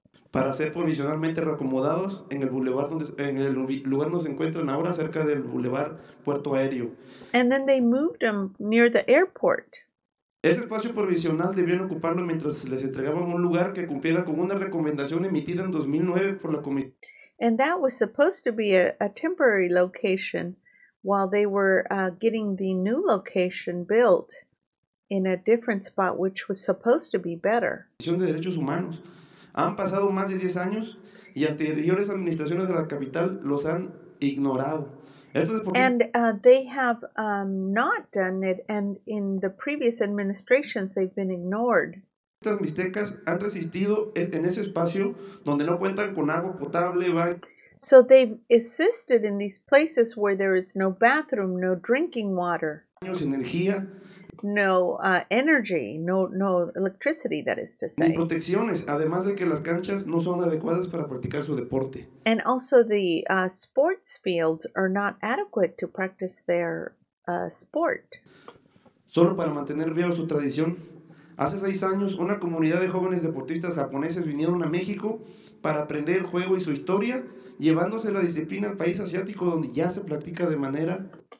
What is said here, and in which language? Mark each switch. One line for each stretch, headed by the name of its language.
Spanish: Para ser provisionalmente reacomodados en el bulevar donde en el lugar donde se encuentran ahora, cerca del bulevar Puerto Aéreo.
English: And then they moved them near the airport.
Spanish: Ese espacio provisional debían ocuparlo mientras les entregaban un lugar que cumpliera con una recomendación emitida en 2009 por la comisión.
English: And that was supposed to be a temporary location while they were getting the new location built in a different spot which was supposed to be better.
Spanish: Comisión de Derechos Humanos. Han pasado más de 10 años y anteriores administraciones de la capital los han ignorado.
English: And they have not done it, and in the previous administrations they've been ignored.
Spanish: Estas mixtecas han resistido en ese espacio donde no cuentan con agua potable.
English: So they've existed in these places where there is no bathroom, no drinking water.
Spanish: Energía.
English: No energy, no electricity, that is to say.
Spanish: Ni protecciones, además de que las canchas no son adecuadas para practicar su deporte.
English: And also the sports fields are not adequate to practice their sport.
Spanish: Solo para mantener viva su tradición. Hace 6 años, una comunidad de jóvenes deportistas japoneses vinieron a México para aprender el juego y su historia, llevándose la disciplina al país asiático donde ya se practica de manera...